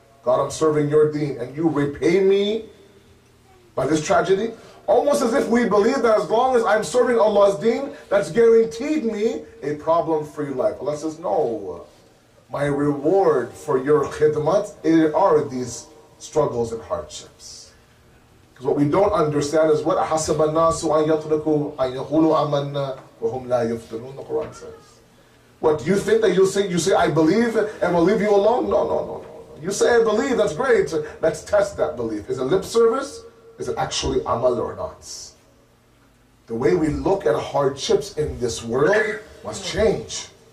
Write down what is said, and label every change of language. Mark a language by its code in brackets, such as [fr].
[en] God, I'm serving your deen and you repay me by this tragedy? Almost as if we believe that as long as I'm serving Allah's deen, that's guaranteed me a problem-free life. Allah says, no. My reward for your khidmat are these struggles and hardships. Because what we don't understand is what [ar] حَسَبَ النَّاسُ أَنْ يَطْرِكُوا أَنْ يَقُولُوا أَمَنَّا وَهُمْ لَا يُفْتَنُونَ. [en] The Quran says. What, do you think that you say I believe and we'll leave you alone? No. You say I believe, that's great. Let's test that belief. Is it lip service? Is it actually amal or not? The way we look at hardships in this world must change.